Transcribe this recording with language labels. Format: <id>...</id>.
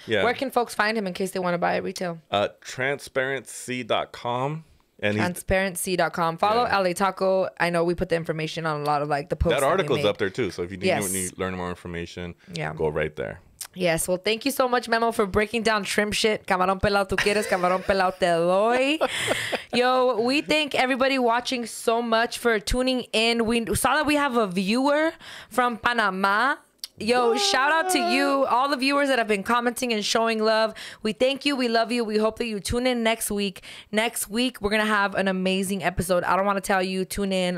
<en>Yeah. Where can folks find him in case they want to buy at retail? Transparency.com. Transparency.com. Follow LA Taco. I know we put the information on a lot of like the posts. That article's up there too. So if you need to learn more information, go right there. Yes. Well, thank you so much, Memo, for breaking down shrimp shit.</en> <es>Camarón pelado tú quieres, camarón pelado te doy.</es> <en>Yo, we thank everybody watching so much for tuning in. We saw that we have a viewer from Panama. Yo, shout out to you, all the viewers that have been commenting and showing love. We thank you. We love you. We hope that you tune in next week. Next week, we're going to have an amazing episode. I don't want to tell you. Tune in.</en>